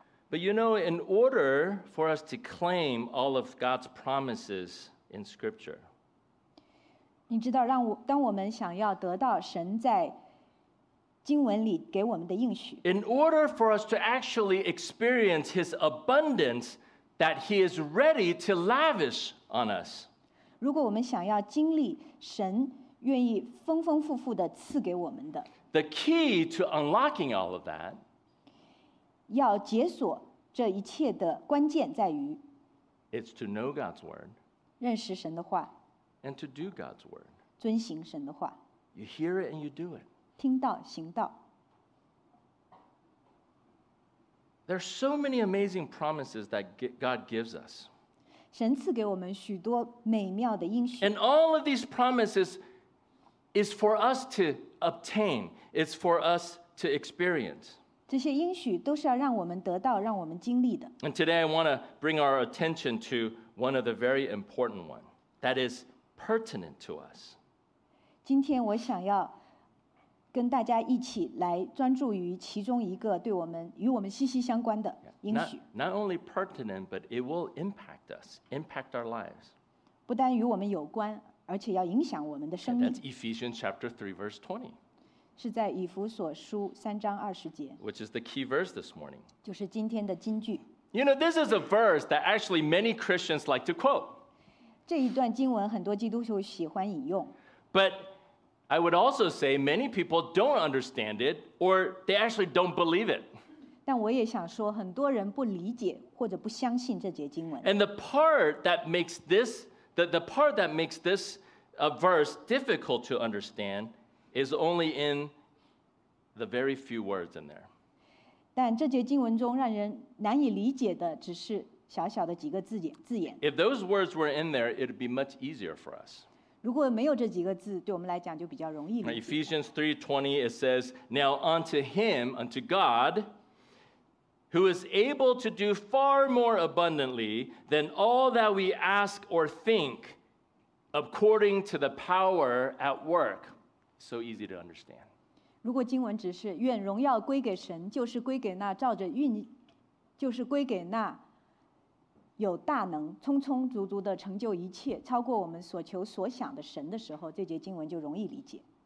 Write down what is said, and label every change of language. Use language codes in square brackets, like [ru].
[en] But you know, in order for us to claim all of God's promises in Scripture, [zh] 你知道，当我们想要得到神在经文里给我们的应许 [en] in order for us to actually experience His abundance that He is ready to lavish on us, [zh] 如果我们想要经历神愿意丰丰富富地赐给我们的。 [en] The key to unlocking all of that, [zh] 要解锁这一切的关键在于 [en] it's to know God's word, [zh] 认识神的话 [en] and to do God's word, [zh] 遵行神的话 [en] you hear it and you do it, [zh] 听到行道。 [en] There are so many amazing promises that God gives us. [zh] 神赐给我们许多美妙的应许。 [en] And all of these promises,is for us to obtain, it's for us to experience. [zh] 这些应许都是要让我们得到，让我们经历的。 [en] And today I want to bring our attention to one of the very important ones that is pertinent to us. [zh] 今天我想要跟大家一起来专注于其中一个对我们与我们息息相关的应许。 [en] Not only pertinent, but it will impact us, impact our lives. [zh] 不单与我们有关而且要影响我们的生命。 [en] That's Ephesians chapter 3 verse 20. [zh] 是在以弗所书三章二十节。 [en] Which is the key verse this morning. [zh] 就是今天的金句。 [en] You know, this is a verse that actually many Christians like to quote. [zh] 这一段经文很多基督徒喜欢引用。 [en] But I would also say many people don't understand it or they actually don't believe it. [zh] 但我也想说很多人不理解或者不相信这节经文。 [en] And the part that makes thisThe part that makes this verse difficult to understand is only in the very few words in there. [zh] 但这节经文中让人难以理解的只是小小的几个字眼。 [en] If those words were in there, it would be much easier for us. [zh] 如果没有这几个字，对我们来讲就比较容易理解。 [en] Ephesians 3:20, it says, Now unto him, unto God... who is able to do far more abundantly than all that we ask or think, according to the power at work. So easy to understand. [zh] 如果经文只是愿荣耀归给神，就是归给那照着运，就是归给那有大能，充充足足的成就一切，超过我们所求所想的神的时候，这节经文就容易理解。